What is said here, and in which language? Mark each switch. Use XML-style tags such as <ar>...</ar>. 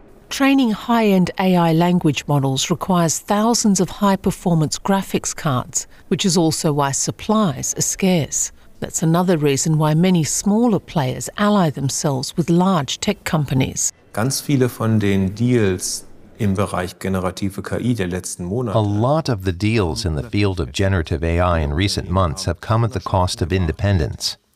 <en>Training high-end AI language models requires thousands of high-performance graphics cards, which is also why supplies are scarce. That's another reason why many smaller players ally themselves with large tech companies.</en> <de>Ganz viele von den Deals im Bereich generative KI der letzten Monate.</de> <en>A lot of the deals in the field of generative AI in recent months have come at the cost of independence.</en>